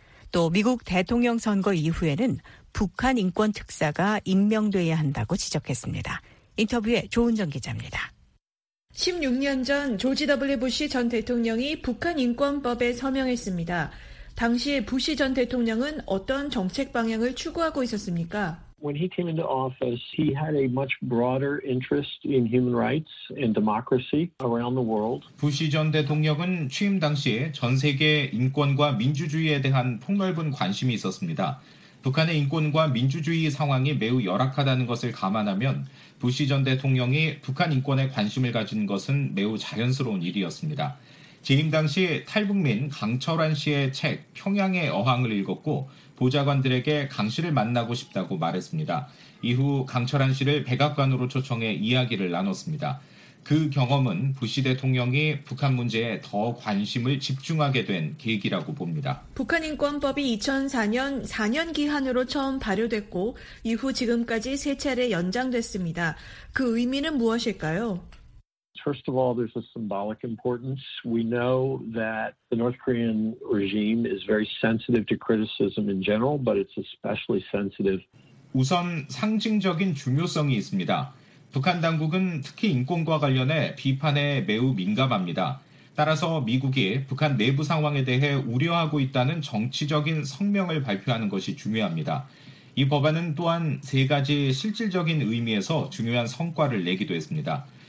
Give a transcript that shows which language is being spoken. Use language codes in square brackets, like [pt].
[ko] 또 미국 대통령 선거 이후에는 북한 인권 특사가 임명돼야 한다고 지적했습니다. 인터뷰에 조은정 기자입니다. 16년 전 조지 W. 부시 전 대통령이 북한 인권법에 서명했습니다. 당시 부시 전 대통령은 어떤 정책 방향을 추구하고 있었습니까? [en] When he came into office, he had a much broader interest in human rights and democracy around the world. [ko] 부시 전 대통령은 취임 당시에 전 세계 인권과 민주주의에 대한 폭넓은 관심이 있었습니다. 북한의 인권과 민주주의 상황이 매우 열악하다는 것을 감안하면 부시 전 대통령이 북한 인권에 관심을 가진 것은 매우 자연스러운 일이었습니다. 재임 당시 탈북민 강철환 씨의 책 평양의 어항을 읽었고 보좌관들에게 강 씨를 만나고 싶다고 말했습니다. 이후 강철환 씨를 백악관으로 초청해 이야기를 나눴습니다. 그 경험은 부시 대통령이 북한 문제에 더 관심을 집중하게 된 계기라고 봅니다. 북한 인권법이 2004년 4년 기한으로 처음 발효됐고 이후 지금까지 세 차례 연장됐습니다. 그 의미는 무엇일까요? [en] First of all, there's a symbolic importance. We know that the North Korean regime is very sensitive to criticism in general, but it's especially sensitive. [ko] 우선 상징적인 중요성이 있습니다. 북한 당국은 특히 인권과 관련해 비판에 매우 민감합니다. 따라서 미국이 북한 내부 상황에 대해 우려하고 있다는 정치적인 성명을 발표하는 것이 중요합니다. 이 법안은 또한 세 가지 실질적인 의미에서 중요한 성과를 내기도 했습니다.